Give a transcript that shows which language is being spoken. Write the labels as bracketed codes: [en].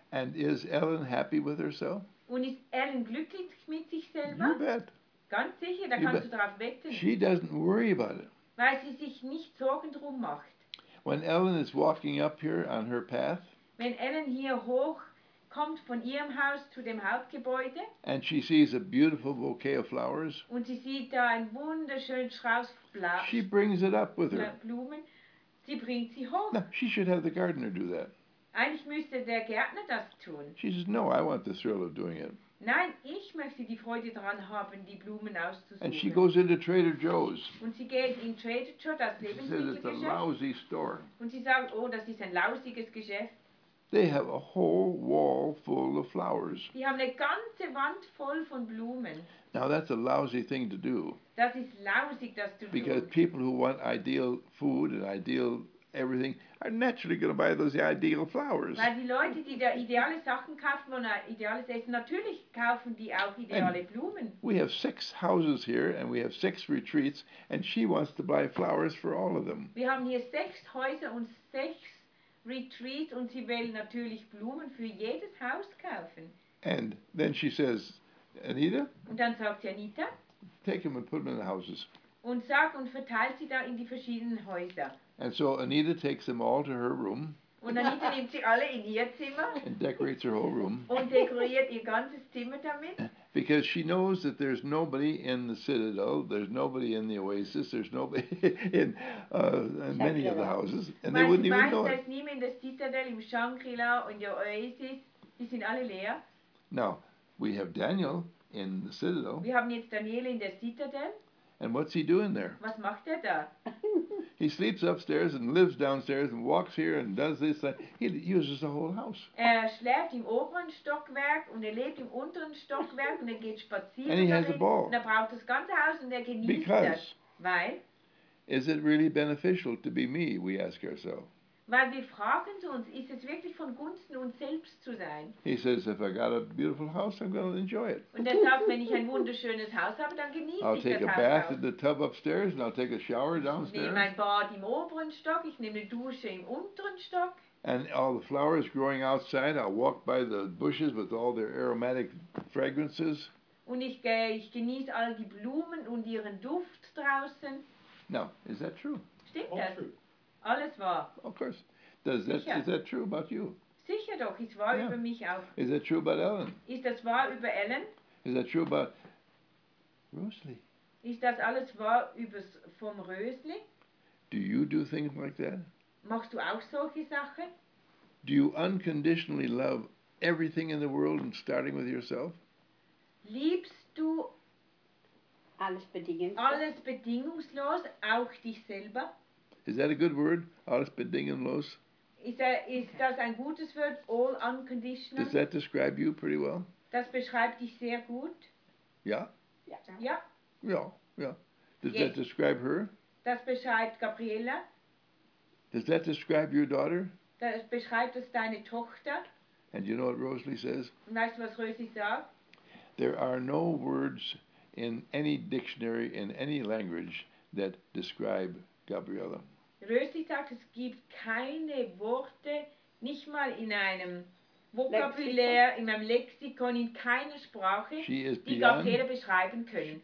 [en] And is Ellen happy with herself? [de] Und ist Ellen glücklich mit sich selber? [en] You bet. [de] Ganz sicher, da [en] you [de] kannst [en] bet. [de] Du darauf wetten. [en] She doesn't worry about it. [de] Weil sie sich nicht Sorgen drum macht. [en] When Ellen is walking up here on her path, [de] wenn Ellen hier hoch kommt von ihrem Haus zu dem Hauptgebäude, [en] and she sees a beautiful bouquet of flowers, [de] und sie sieht da einen wunderschönen Strauß Blumen, [en] she brings it up with her. [de] Blumen, sie bringt sie hoch. [en] No, she should have the gardener do that. [de] Eigentlich müsste der Gärtner das tun. [en] She says, no, I want the thrill of doing it. [de] Nein, ich möchte die Freude daran haben, die Blumen auszusuchen. [en] And she goes into Trader Joe's. [de] Und sie geht in Trader Joe's, das Lebensmittelgeschäft. Und sie sagt, oh, das ist ein lausiges Geschäft. [en] They have a whole wall full of flowers. [de] Die haben eine ganze Wand voll von Blumen. [en] Now that's a lousy thing to do. [de] Das ist lausig, das zu tun. [en] Because people who want ideal food and ideal everything are naturally going to buy those ideal flowers. [de] Weil die Leute, die da ideale Sachen kaufen und ideales Essen, natürlich kaufen die auch ideale Blumen. [en] We have six houses here and we have six retreats and she wants to buy flowers for all of them. [de] Wir haben hier sechs Häuser und sechs Retreats und sie will natürlich Blumen für jedes Haus kaufen. [en] And then she says, Anita? [de] Und dann sagt sie, Anita? [en] Take them and put them in the houses. [de] Und sag und verteilt sie da in die verschiedenen Häuser. [en] And so Anita takes them all to her room. [de] Und Anita nimmt sie alle in ihr Zimmer. [en] And decorates her whole room. [de] Und dekoriert ihr ganzes Zimmer damit. [en] Because she knows that there's nobody in the citadel, there's nobody in the oasis, there's nobody in many of the houses, and they wouldn't even know it. [de] Weiß, dass niemand in der Citadel, im Shangri-La und der Oasis, die sind alle leer. [en] Now, we have Daniel in the citadel. [de] Wir haben jetzt Daniel in der Citadel. [en] And what's he doing there? [de] Was macht er da? [en] He sleeps upstairs and lives downstairs and walks here and does this. He uses the whole house. [de] Er schläft im oberen Stockwerk und er lebt im unteren Stockwerk und er geht spazieren. [en] And he has a ball. [de] Und er braucht das ganze Haus und er genießt das. Weil? [en] Is it really beneficial to be me? We ask ourselves. [de] Weil wir fragen uns, ist es wirklich von Gunsten uns selbst zu sein? [en] He says, if I got a beautiful house, I'm going to enjoy it. [de] Und er sagt, wenn ich ein wunderschönes Haus habe, dann genieße ich das Haus. [en] I'll take a bath in the tub upstairs and I'll take a shower downstairs. [de] Ich nehme ein Bad im oberen Stock, ich nehme eine Dusche im unteren Stock. [en] And all the flowers growing outside, I'll walk by the bushes with all their aromatic fragrances. [de] Und ich genieße all die Blumen und ihren Duft draußen. [en] Now, is that true? [de] Stimmt das? Alles wahr. [en] Of course. Is that true about you? [de] Sicher doch, ist wahr über mich auch. [en] Is that true about Ellen? [de] Ist das wahr über Ellen? [en] Is that true about Rösli? [de] Ist das alles wahr vom Rösli? [en] Do you do things like that? [de] Machst du auch solche Sachen? [en] Do you unconditionally love everything in the world and starting with yourself? [de] Liebst du alles bedingungslos, auch dich selber? [en] Is that a good word? [de] Alles bedingungslos? Ist das ein gutes Wort? [en] All unconditional? Does that describe you pretty well? [de] Das beschreibt dich sehr gut. [en] Yeah? Yeah. Yeah. Yeah. Does that describe her? [de] Das beschreibt Gabriela. [en] Does that describe your daughter? [de] Das beschreibt es deine Tochter. [en] And you know what Rosalie says? [de] Weißt du, was Rosalie sagt? [en] There are no words in any dictionary, in any language, that describe Gabriela. [de] Rösli sagt, es gibt keine Worte, nicht mal in einem Vokabular, in einem Lexikon, in keiner Sprache, die Gabriela beschreiben können.